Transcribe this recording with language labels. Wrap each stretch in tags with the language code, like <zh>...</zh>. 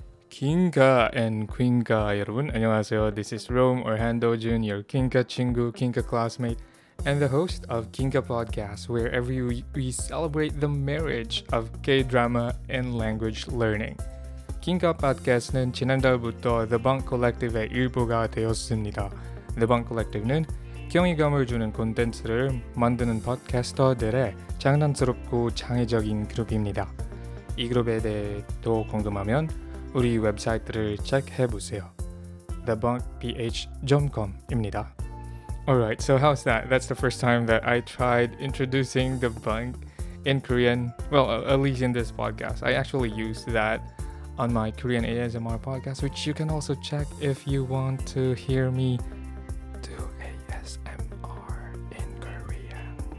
<ko>킹가 and 퀸가 여러분 안녕하세요.</ko> <en>This is Rome Orhando Jun, your</en> <ko>킹가 친구,</ko> <en>킹가 classmate, and the host of 킹가 podcast, where every week we celebrate the marriage of K-drama and language learning.</en> <ko>킹가 podcast는 지난달부터 The Bunk Collective의 일부가 되었습니다. The Bunk Collective는 경이감을 주는 콘텐츠를 만드는 팟캐스터들의 장난스럽고 창의적인 그룹입니다. 이 그룹에 대해 더 궁금하면 우리 웹사이트를 체크해보세요.</ko> <en>TheBunkPH.com입니다. Alright, so how's that? That's the first time that I tried introducing The Bunk in Korean. Well, at least in this podcast. I actually used that on my Korean ASMR podcast, which you can also check if you want to hear me do ASMR in Korean.</en>